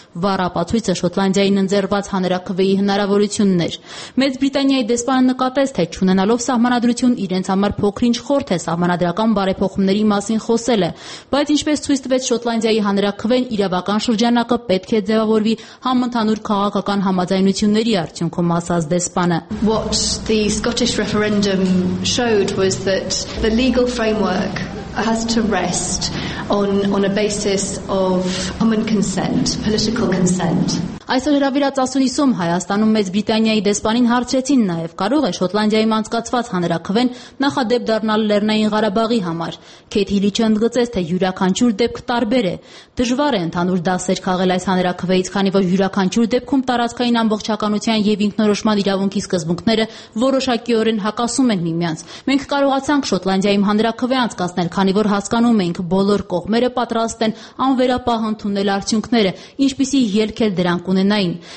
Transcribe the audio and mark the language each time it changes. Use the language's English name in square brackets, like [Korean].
[Armenian] վառ ապացույցը Շոտլանդիային ընձեռված հանրաքվեի հնարավորությունն էր։ Մեծ Բրիտանիայի դեսպանը նկատեց, թե չունենալով սահմանադրություն, իրենց համար փոքրինչ խորթ է սահմանադրական բարեփոխումների մասին խոսելը, բայց ինչպես ցույց տվեց Շոտլանդիայի հանրաքվեն, իրավական շրջանակը պետք է ձևավորվի համընդհանուր քաղաքական համաձայնությունների արդյունքում, ասաց դեսպանը։ [English] What the Scottish referendum showed was that the legal framework has to rest on a basis of common consent, political consent. [Armenian] Այսօր հրավիրած ասուլիսում Հայաստանում Մեծ Բրիտանիայի դեսպանին հարցրեցին նաև, կարող է Շոտլանդիայում անցկացված հանրաքվեն նախադեպ դառնալ Լեռնային Ղարաբաղի համար։ Քեթի Լիչը ընդգծեց, թե յուրաքանչյուր դեպք տարբեր է։ Դժվար է ընդհանուր դասեր քաղել այս հանրաքվեից, քանի որ յուրաքանչյուր դեպքում տարածքային ամբողջականության և ինքնորոշման իրավունքի սկզբունքները որոշակիորեն հակասում են միմյանց։ Մենք կարողացանք Շոտլանդիայում հանրաքվե անցկացնել, քանի որ հասկանում ենք, բոլոր կողմերը պատրաստ են անվերապահ ընդունել արդյունքները, ինչպիսի ելք է դրանք ունենային։